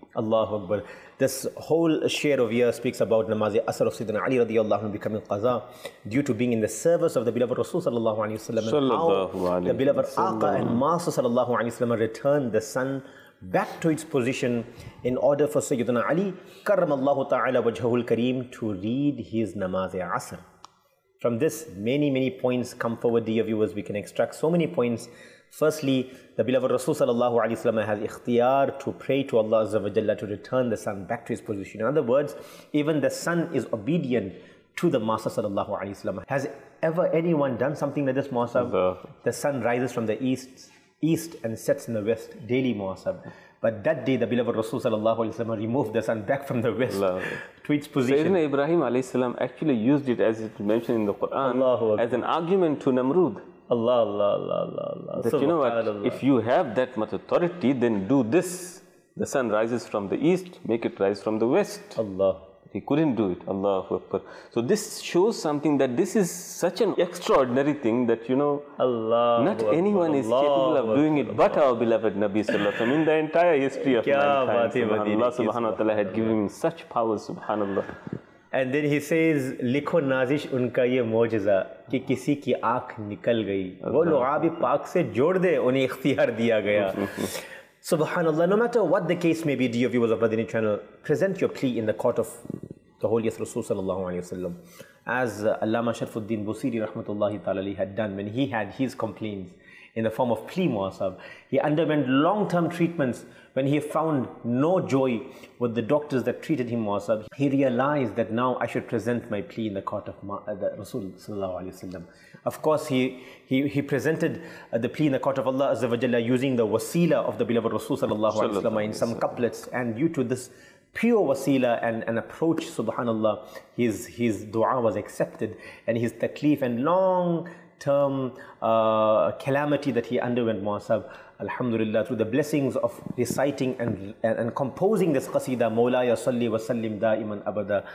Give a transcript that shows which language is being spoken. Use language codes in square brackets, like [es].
[en] اللہ اکبر, this whole share of year speaks about نماز عصر آف سیدنا علی رضی اللہ عنہ بیکمنگ قضا due to being in the service of the beloved رسول صلی اللہ علیہ وسلم, دا بیلوڈ آقا اینڈ ماسٹر صلی اللہ علیہ وسلم return the sun back to its position in order for سیدنا علی کرم اللہ تعالی وجہہ الکریم ٹو ریڈ ہز نماز عصر. From this many many points come forward dear viewers, we can extract so many points. Firstly, the beloved Rasul sallallahu alayhi wa sallam has ikhtiyar to pray to Allah azza wa jalla to return the son back to his position. In other words, even the son is obedient to the master sallallahu alayhi wa sallam. Has ever anyone done something like this, Muasab? The sun rises from the east and sets in the west daily, Muasab. But that day, the beloved Rasul sallallahu alayhi wa sallam removed the sun back from the west to its position. Sayyidina Ibrahim alayhi wa sallam actually used it, as it mentioned in the Quran, as an argument to Namrud. Allah, Allah, Allah, Allah, Allah. That, you know what, if you have that much authority, then do this. The sun rises from the east, make it rise from the west. Allah. He couldn't do it. Allahu Akbar. So this shows something, that this is such an extraordinary thing that, you know, Allah, not anyone is capable of doing it but our beloved Nabi sallallahu alayhi wa sallam. In the entire history of mankind, Allah subhanahu wa ta'ala had given him such power, subhanallah. And then he says, [ur] لکھو نازش ان کا یہ معجزہ کہ کسی کی آنکھ نکل گئی, وہ لعاب پاک سے جوڑ دے انہیں اختیار دیا گیا. [en] سبحان اللہ. No matter what the case may be, dear viewers of Madina channel, present your plea in the court of the holiest رسول صلی اللہ علیہ وسلم, ایز علامہ شرف الدین بصیری رحمۃ اللہ تعالی علیہ had done when he had his complaints in the form of plea. موسب, he underwent long term treatments. When he found no joy with the doctors that treated him, Muasab, he realized that now I should present my plea in the court of the Rasul sallallahu alaihi wasallam. Of course, he presented the plea in the court of Allah azza wa jalla using the wasila of the beloved Rasul sallallahu alaihi wasallam in some couplets, and due to this pure wasila and an approach, subhanallah, his dua was accepted, and his taklif and long term calamity that he underwent, Muasab, alhamdulillah, through the blessings of reciting and composing this qasida, Mawla ya salli wa sallim da'iman abada,